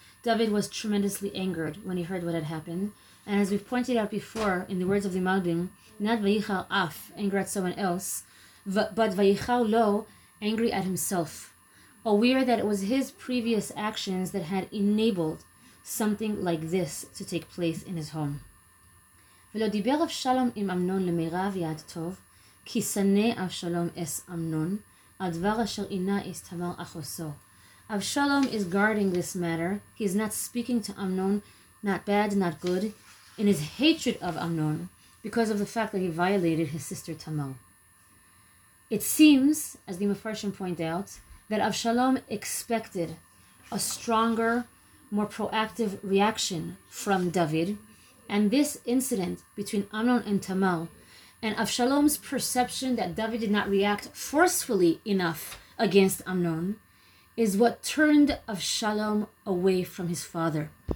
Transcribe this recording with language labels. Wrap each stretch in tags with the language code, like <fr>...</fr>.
<en>David was tremendously angered when he heard what had happened. And as we've pointed out before, in the words of the Malbim, not</en> <he>v'yichal af,</he> <en>anger at someone else, but</en> <he>v'yichal lo,</he> <en>angry at himself, aware that it was his previous actions that had enabled something like this to take place in his home.</en> <he>ולא דיבר אבשלום עם אמנון למירב יעד טוב, כי שנא אבשלום אס אמנון, על דבר אשר אינה אס תמר אחוסו.</he> <en>אבשלום is guarding this matter. He is not speaking to Amnon, not bad, not good, in his hatred of Amnon, because of the fact that he violated his sister Tamar. It seems, as the Mepharshim point out, that Avshalom expected a stronger, more proactive reaction from David, and this incident between Amnon and Tamar, and Avshalom's perception that David did not react forcefully enough against Amnon, is what turned Avshalom away from his father.</en>